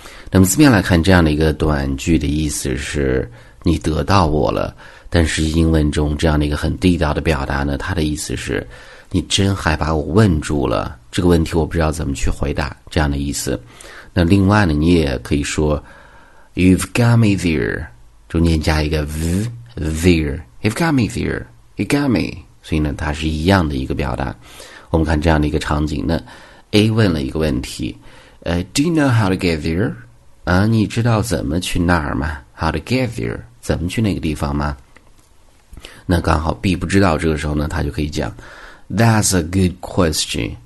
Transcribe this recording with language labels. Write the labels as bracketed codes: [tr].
[zh] 那么字面来看，这样的一个短句的意思是你得到我了。但是英文中这样的一个很地道的表达呢，它的意思是你真还把我问住了，这个问题我不知道怎么去回答，这样的意思。那另外呢，你也可以说 [en] "You've got me there"， [zh] 中间加一个 v。 [en] There, you've got me there, you got me. [zh] 所以呢，它是一样的一个表达。我们看这样的一个场景呢 ，A 问了一个问题， [en] Do you know how to get there？ [zh] 啊，你知道怎么去那儿吗 ？ [en] How to get there？ [zh] 怎么去那个地方吗？那刚好 B 不知道，这个时候呢，他就可以讲 ， [en] That's a good question.